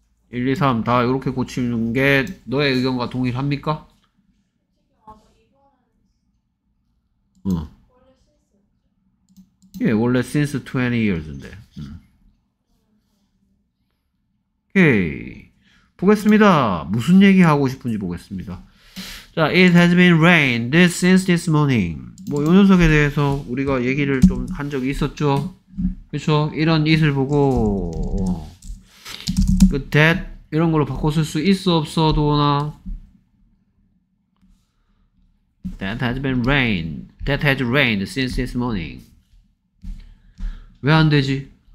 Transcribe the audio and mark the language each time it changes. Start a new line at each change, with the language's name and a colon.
Korean: 1, 2, 3 다 이렇게 고치는 게 너의 의견과 동일합니까? 예, 원래 since 20 years인데. 오케이. 보겠습니다. 무슨 얘기 하고 싶은지 보겠습니다.
English: 자, it has been rained since this morning.
Korean: 뭐, 요 녀석에 대해서 우리가 얘기를 좀한 적이 있었죠? 그쵸? 이런 it을 보고, 그 that, 이런 걸로 바꿔 쓸수 있어, 없어, 도어나?
English: That has been rained. That has rained since this morning.
Korean: 왜안 되지?